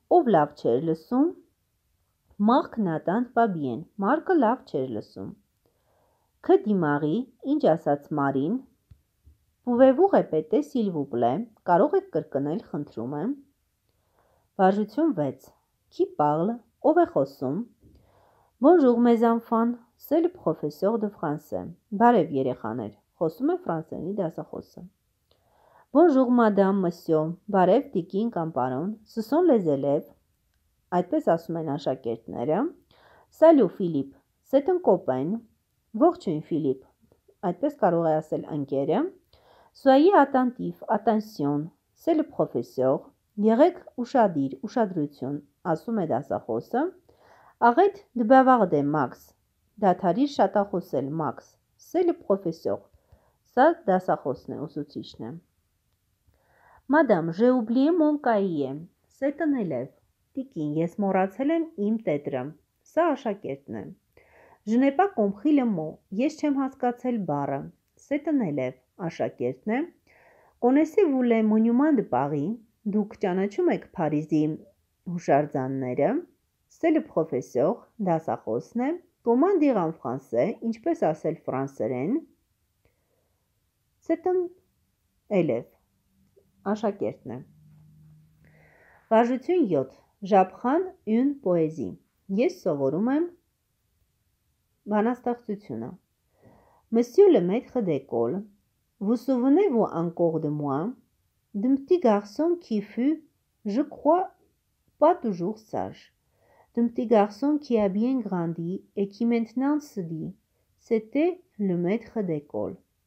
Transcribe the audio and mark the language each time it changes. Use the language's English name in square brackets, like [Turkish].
[Armenian] Ով լավ չեր լսում? [French] Մարկ նատանդ պաբիեն, [Armenian] Մարկը լավ չեր լսում։ [French] Քը դիմաղի, [Armenian] ինչ ասաց Մարին։ [French] Պուվևու ղեպետե սիլվուպլե, [Armenian] կարող եք կրկնել, խնդրում եմ։ Վարժություն 6. Քի պաղլ, ով է խոսում։ [French] Bonjour mes enfants, c'est le professeur de français. [Armenian] Բարև երեխաներ, խոսում է ֆրանսերենի դասախոսը։ [French] Bonjour madame, monsieur. [Armenian] Բարև դիկին կամ պարոն, [French] ce sont les élèves. [Armenian] Այդպես ասում են աշակերտները. [French] Սալյու Ֆիլիպ, c'est un copain. [Armenian] Ողջույն Ֆիլիպ. Այդպես կարող է ասել ընկերը. [French] Soyez attentif, attention. C'est le professeur. [Armenian] Եղեք ուշադիր, ուշադրություն, ասում է դասախոսը. [French] Arrête de bavarder, Max. [Armenian] Դադարիր շատախոսել, Max. [French] C'est le professeur. [Armenian] Սա դասախոսն է, ուսուցիչն է. [French] Madame, j'ai oublié mon cahier. C'est un élève. [Armenian] Տիկին, ես մոռացել եմ իմ տետրը։ Սա աշակերտն է։ [French] Je n'ai pas compris le mot. [Armenian] Ես չեմ հասկացել բառը։ [French] C'est un élève. [Armenian] Աշակերտն է։ [French] Connaissez-vous le monument de Paris? [Armenian] Դուք ճանաչում եք Փարիզի հուշարձանները։ [French] C'est le professeur. [Armenian] Դասախոսն է։ [French] Comment dire en français? [Armenian] Ինչպես ասել ֆրանսերեն։ [French] C'est un élève. [Armenian] Աշակերտն է։ Վարժություն 7. [French] Ժապխան ուն պոեզի։ [Armenian] Ես սովորում եմ բանաստեղծությունը։ [French] Monsieur le maître d'école, vous souvenez-vous encore de moi, d'un petit garçon qui fut, je crois, pas toujours sage, d'un petit garçon qui a bien grandi et qui maintenant se dit, c'était le maître d'école.